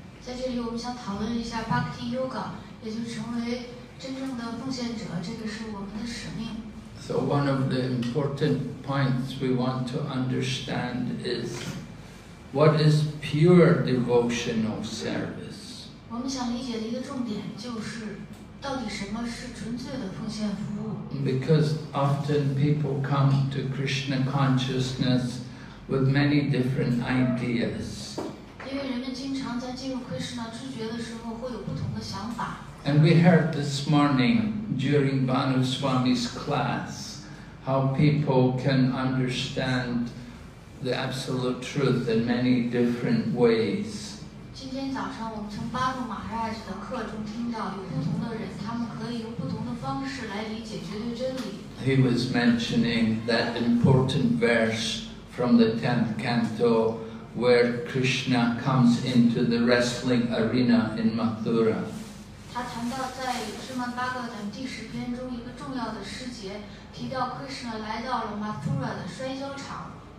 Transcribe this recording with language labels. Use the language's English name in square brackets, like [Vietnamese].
[Chinese] 在这里我们想讨论一下 Bhakti Yoga, 也就成为真正的奉献者，这个是我们的使命。 [English] So one of the important points we want to understand is, what is pure devotional service? [Chinese] 我们想理解的一个重点就是到底什么是纯粹的奉献服务？ [English] Because often people come to Krishna consciousness with many different ideas. [Chinese] 因为人们经常在进入 Krishna 知觉的时候会有不同的想法。 [English] And we heard this morning during Bhanu Swami's class how people can understand the absolute truth in many different ways. [Chinese] 今天早上我们从巴布马哈拉的课中听到有不同的人他们可以用不同的方式来理解绝对真理。 [English] He was mentioning that important verse from the 10th canto where Krishna comes into the wrestling arena in Mathura. [Chinese] 他谈到在芝麻巴格坦第十篇中一个重要的诗节提到 Krishna 来到了 Mathura 的摔跤场。